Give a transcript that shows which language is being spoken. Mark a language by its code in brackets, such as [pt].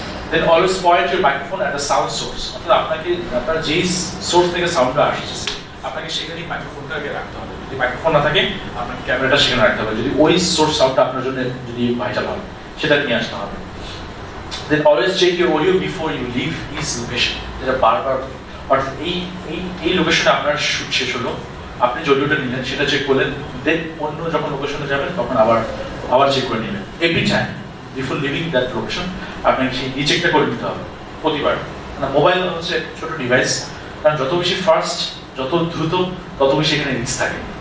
[en] then always point your microphone at the sound source, [bn] অর্থাৎ আপনাকে আপনার যেই সোর্স থেকে সাউন্ডটা আসছে আপনাকে সেখানেই মাইক্রোফোনটাকে রাখতে হবে, যদি মাইক্রোফোন না থাকে আপনাকে ক্যামেরাটা সেখানে রাখতে হবে, যদি ওই সোর্স সাউন্ডটা আপনার জন্য যদি ভাইটাল হয় সেটা নিয়ে আসতে হবে। [en] Then always check your audio before you leave this location. [bn] এটা বারবার, অর্থাৎ এই এই এই লোকেশনে আপনার শুট শেষ হলো, আপনি যে অডিওটা নিলেন সেটা চেক করলেন, দেন অন্য যখন লোকেশনে যাবেন তখন আবার চেক করে নেবেন, [en] every time before leaving that location [bn] আপনাকে সেই রিচেকটা করে নিতে হবে প্রতিবার। মানে মোবাইল হচ্ছে ছোটো ডিভাইস, কারণ যত বেশি ফাস্ট যত দ্রুত তত বেশি এখানে রিস্ক থাকে।